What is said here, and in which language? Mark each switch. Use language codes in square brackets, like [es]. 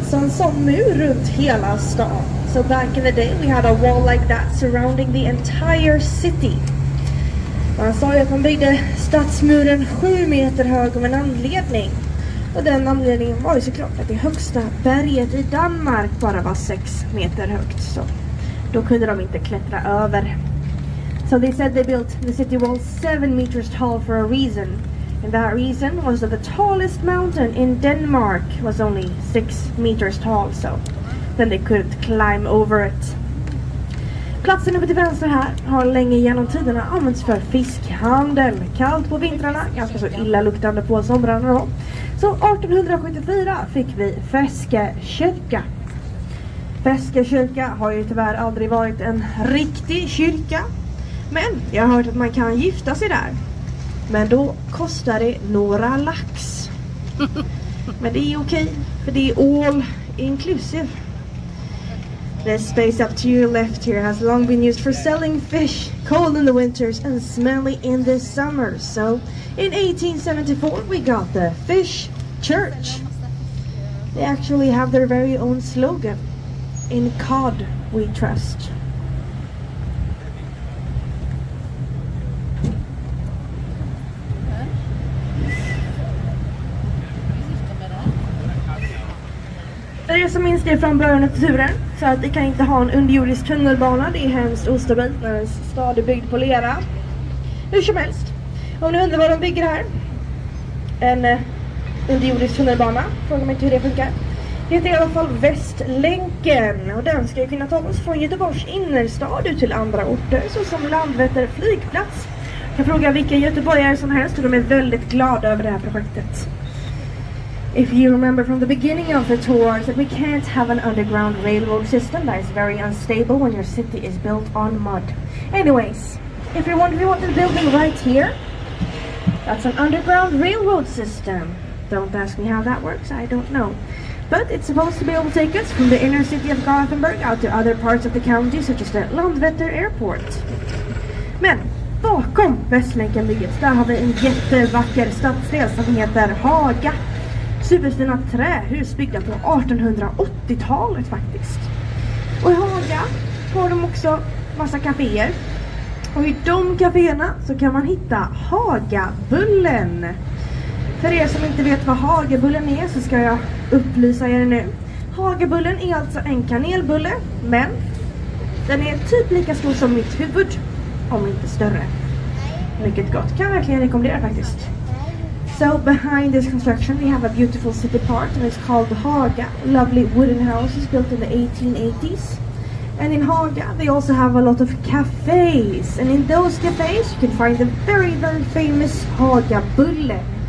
[sv] Some mur runt hela stan. [en] So back in the day we had a wall like that surrounding the entire city. [sv] Man sa ju att man byggde stadsmuren 7 meter hög av en anledning. Och den anledningen var ju såklart att det högsta berget i Danmark bara var 6 meter högt. Så då kunde de inte klättra över. [en] So they said they built the city wall 7 meters tall for a reason. And that reason was that the tallest mountain in Denmark was only 6 meters tall, so then they couldn't climb over it. [sv] Platsen uppe till vänster här har länge genom tiderna använts för fiskhandel. Kallt på vintrarna, ganska så illa luktande på somrarna då. Så 1874 fick vi Feskekyrka. Feskekyrka har ju tyvärr aldrig varit en riktig kyrka. Men jag har hört att man kan gifta sig där. Men då kostar det några lax. Men det är okej, för det är all inclusive. [en] This space up to your left here has long been used for selling fish, cold in the winters and smelly in the summer. So in 1874 we got the Fish Church. They actually have their very own slogan: In cod we trust. [sv] För er som minns det från början av turen, så att vi kan inte ha en underjordisk tunnelbana, det är hemskt ostabilt när en stad är byggd på lera. Hur som helst, om ni undrar vad de bygger här, en underjordisk tunnelbana, fråga mig inte hur det funkar. Det heter i alla fall Västlänken, och den ska ju kunna ta oss från Göteborgs innerstad ut till andra orter, såsom Landvetter flygplats. Jag frågar vilka göteborgare som helst, och de är väldigt glada över det här projektet. [en] If you remember from the beginning of the tour, that we can't have an underground railroad system that is very unstable when your city is built on mud. Anyways, if you're wondering what they're building right here, that's an underground railroad system. Don't ask me how that works, I don't know. But it's supposed to be able to take us from the inner city of Gothenburg out to other parts of the county, such as the Landvetter Airport. [sv] Men, bakom Västlänken bygget, där har vi en jättevacker stadsdel som heter Haga. Superfina trähus byggda på 1880-talet faktiskt. Och i Haga har de också massa kaféer. Och i de kaféerna så kan man hitta Hagabullen. För er som inte vet vad Hagabullen är, så ska jag upplysa er nu. Hagabullen är alltså en kanelbulle, men den är typ lika stor som mitt huvud, om inte större. Mycket gott, kan verkligen rekommendera faktiskt. [en] So behind this construction we have a beautiful city park and it's called Haga. Lovely wooden houses built in the 1880s. And in Haga they also have a lot of cafes. And in those cafes you can find the very, very famous Haga Bulle.